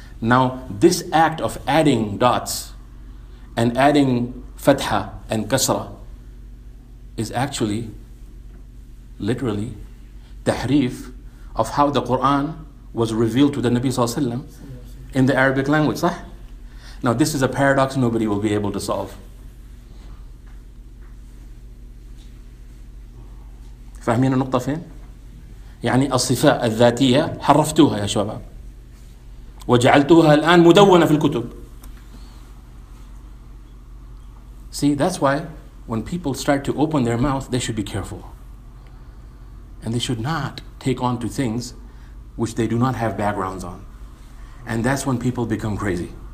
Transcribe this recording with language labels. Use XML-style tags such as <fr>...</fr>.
<en>Now, this act of adding dots and adding fatha and kasra is actually, literally, tahrif of how the Quran was revealed to the Nabi Sallallahu Alaihi Wasallam in the Arabic language. Sah? Now, this is a paradox nobody will be able to solve.</en> <ar>فهمين النقطة فين؟ يعني الصفاء الذاتية حرفتوها يا شباب وجعلتوها الآن مدونة في الكتب.</ar> <en>See, that's why when people start to open their mouth, they should be careful. And they should not take on to things which they do not have backgrounds on. And that's when people become crazy.</en>